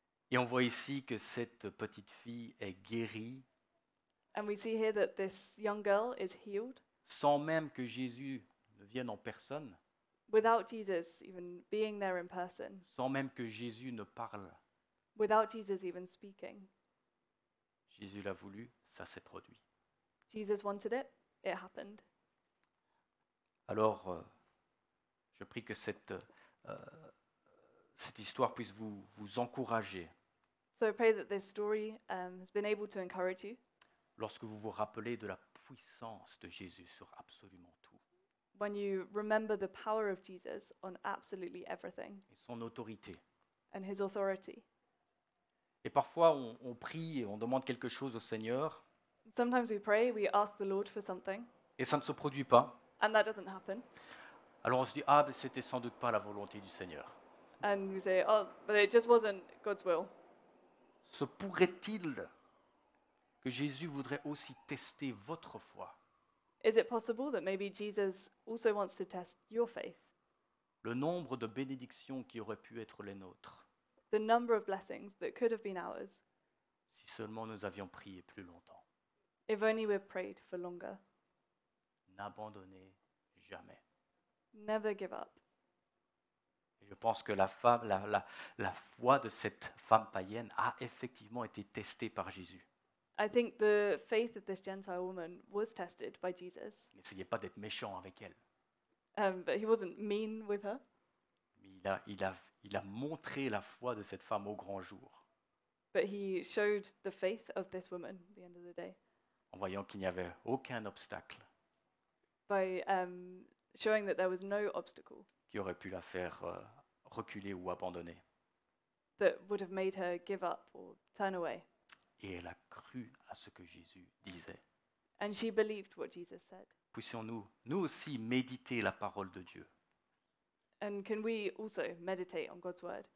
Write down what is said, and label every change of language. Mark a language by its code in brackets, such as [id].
[fr] Et on voit ici que cette petite fille est guérie. [en] And we see here that this young girl is healed. [fr] Sans même que Jésus ne vienne en personne. [en] Without Jesus even being there in person. [fr] Sans même que Jésus ne parle. [en] Without Jesus even speaking. [fr] Jésus l'a voulu, ça s'est produit. [en] Jesus wanted it, it happened. [fr] Alors, je prie que cette histoire puisse vous encourager. [en] So I pray that this story has been able to encourage you. [fr] Lorsque vous vous rappelez de la puissance de Jésus sur absolument tout. [en] When you remember the power of Jesus on absolutely everything. [fr] Et son autorité. [en] And his authority. [fr] Et parfois, on prie et on demande quelque chose au Seigneur. [en] Sometimes we pray, we ask the Lord for something. [fr] Et ça ne se produit pas. [en] And that doesn't happen. [fr] Alors on se dit, ah, mais c'était sans doute pas la volonté du Seigneur. [en] And we say, oh, but it just wasn't God's will. [fr] Se pourrait-il que Jésus voudrait aussi tester votre foi? [en] Is it possible that maybe Jesus also wants to test your faith? [fr] Le nombre de bénédictions qui auraient pu être les nôtres. [en] The number of blessings that could have been ours. [fr] Si seulement nous avions prié plus longtemps. [en] If only we prayed for longer. [fr] N'abandonnez jamais. [en] Never give up. [fr] Je pense que la femme, la foi de cette femme païenne a effectivement été testée par Jésus. [en] I think the faith of this Gentile woman was tested by Jesus. [fr] N'essayez pas d'être méchant avec elle. [en] But he wasn't mean with her. [fr] Il a montré la foi de cette femme au grand jour. [en] But he showed the faith of this woman at the end of the day. [fr] En voyant qu'il n'y avait aucun obstacle. [en] By showing that there was no obstacle. [fr] Qui aurait pu la faire reculer ou abandonner. [en] That would have made her give up or turn away. [fr] Et elle a cru à ce que Jésus disait. [en] And she believed what Jesus said. [fr] Puissions-nous nous aussi méditer la parole de Dieu. [en] And can we also meditate on God's word?